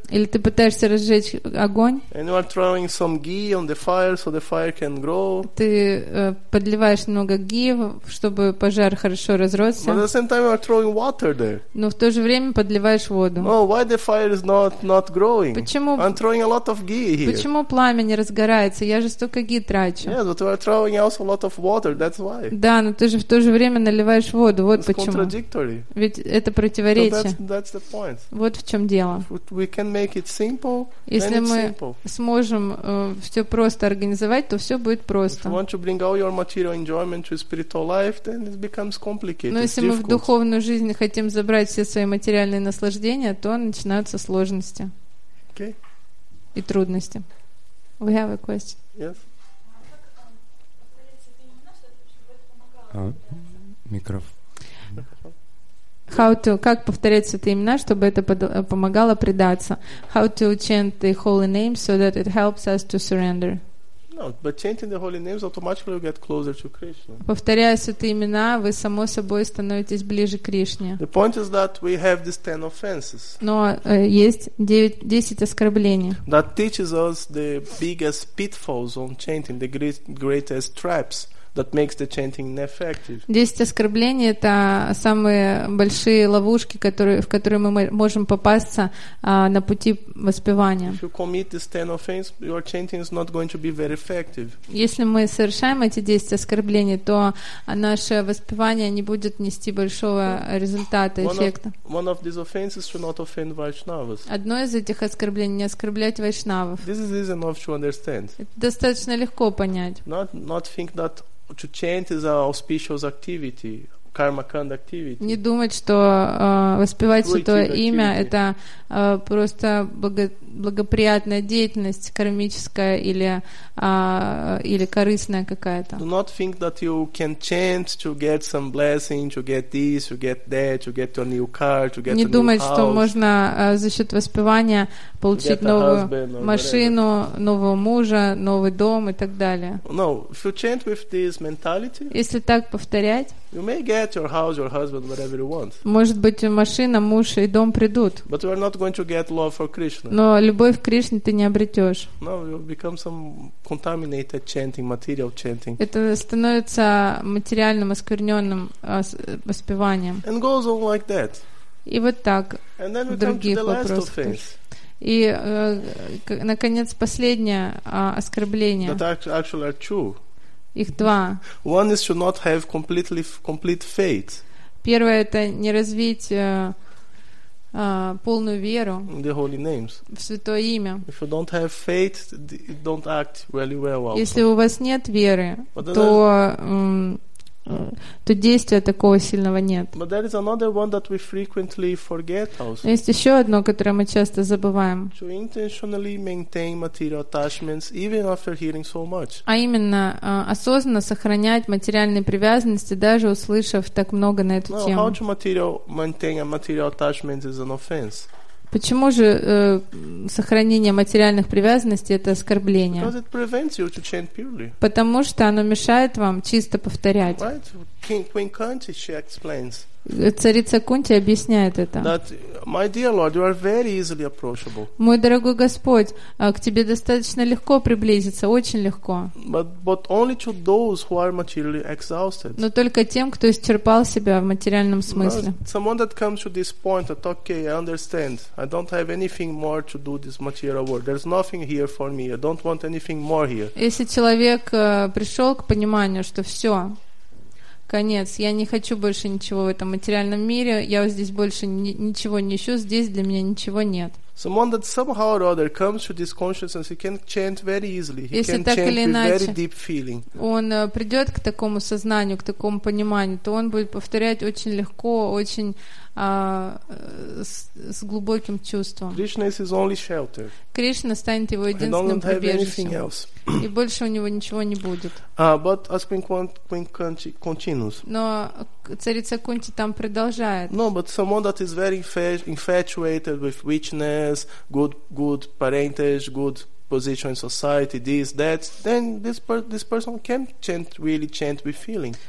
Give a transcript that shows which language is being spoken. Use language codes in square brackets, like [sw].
[ru] Или ты пытаешься разжечь огонь. [en] And you are throwing some ghee on the fire so the fire can grow. [ru] Ты подливаешь немного ghee, чтобы пожар хорошо разросся. [en] But at the same time you are throwing water there. [ru] Но в то же время подливаешь воду. [en] No, why the fire is not growing? [ru] Почему? [en] I'm throwing a lot of ghee here. [ru] Почему пламя не разгорается? Я же столько ghee трачу. [en] Yes, but we are throwing also a lot of water. That's why. [ru] Да, но ты же в то же время наливаешь воду. Вот [en] it's [ru] почему. [en] It's contradictory. [ru] Ведь это противоречие. [en] So that's the point. [ru] Вот в чем дело. [en] We can make it simple, [ru] если [en] it's [ru] мы [en] simple. [ru] Сможем все просто организовать, то все будет просто. [en] If you want to bring all your material enjoyment to spiritual life, then it becomes complicated. [ru] Но если мы в духовную жизнь хотим забрать все свои материальные наслаждения, то начинаются сложности. [en] Okay. [ru] И трудности. [en] We have a question. Yes. [ru] Микрофон. [en] How to, [ru] как повторять святые имена, чтобы это помогало предаться? [en] How to chant the holy names so that it helps us to surrender? No, but chanting the holy names automatically you get closer to Krishna. [ru] Повторяя святые имена, вы само собой становитесь ближе к Кришне. [en] The point is that we have these 10 offenses. [ru] Но есть 10 оскорблений. [en] That teaches us the biggest pitfalls on chanting, the greatest traps. That makes the chanting ineffective. [ru] 10 оскорблений — это самые большие ловушки, в которые мы можем попасться на пути воспевания. [en] If you commit these 10 offenses, your chanting is not going to be very effective. [ru] Если мы совершаем эти 10 оскорблений, то наше воспевание не будет нести большого результата, эффекта. [en] One of these offenses is to not offend Vaishnavas. [ru] Одно из этих оскорблений — не оскорблять Вайшнавов. [en] This is easy enough to understand. [ru] Это достаточно легко понять. [en] Not think that to chant is an auspicious activity. karma kanda activity. [ru] Не думать, что воспевать святое имя это просто благоприятная деятельность кармическая или или корыстная какая-то. [en] Do not think that you can chant to get some blessing, to get this, to get that, to get a new car, to get [ru] Не [en] a [ru] думать, [en] new [ru] что [en] house, [ru] можно за счет воспевания получить новую машину, [en] whatever. [ru] Нового мужа, новый дом и так далее. [en] No, if you chant with this mentality. [ru] Если так повторять. [en] You may get your house, your husband, whatever you want. [ru] Может быть, машина, муж и дом придут. [en] But you are not going to get love for Krishna. [ru] Но любовь к Кришне ты не обретешь. [en] No, you become some contaminated chanting, material chanting. [ru] Это становится материальным оскверненным воспеванием. [en] And goes on like that. [ru] И вот так. [en] And then we come to the last of things. [ru] И, наконец, последнее оскорбление. [en] That actually are true. [ru] Их два. [en] One is to not have complete faith. [ru] Первое – это не развить полную веру [en] the holy names. [ru] В святое имя. [en] If you don't have faith, it don't act really well also. [ru] Если у вас нет веры, то то действия такого сильного нет. [en] But there is another one that we frequently forget also. [ru] Есть еще одно, которое мы часто забываем. [en] To intentionally maintain material attachments even after hearing so much. [ru] А именно осознанно сохранять материальные привязанности, даже услышав так много на эту тему. [en] Now, how to maintain a material attachment is an offense. [ru] Почему же сохранение материальных привязанностей – это оскорбление? [en] Because it prevents you to chant purely. [ru] Потому что оно мешает вам чисто повторять. [en] Right? Queen Kunti, she explains. [ru] Царица Кунти объясняет это. [en] That, my dear Lord, you are very easily approachable. [ru] Мой дорогой Господь, к тебе достаточно легко приблизиться, очень легко. [en] But only to those who are materially exhausted. [ru] Но только тем, кто исчерпал себя в материальном смысле. [en] Now, someone that comes to this point that okay, I understand. I don't have anything more to do this material work. There's nothing here for me. I don't want anything more here. [ru] Если человек пришел к пониманию, что все. Конец. Я не хочу больше ничего в этом материальном мире. Я здесь больше ничего не ищу. Здесь для меня ничего нет. [en] Someone that somehow or other comes to this consciousness, he can chant very easily. He [ru] Если [en] can [ru] так [en] chant [ru] или иначе, [en] with very deep feeling. [ru] Он придет к такому сознанию, к такому пониманию, то он будет повторять очень легко, очень с глубоким чувством. [en] Krishna is his only shelter. [ru] Кришна станет его единственным прибежищем. И больше у него ничего не будет. [en] But as Queen Kunti continues. [ru] Но царица Кунти там продолжает. [en] No, but someone that is very infatuated with richness, good parentage, good position in society, this, that, then this person can chant, really chant with feeling.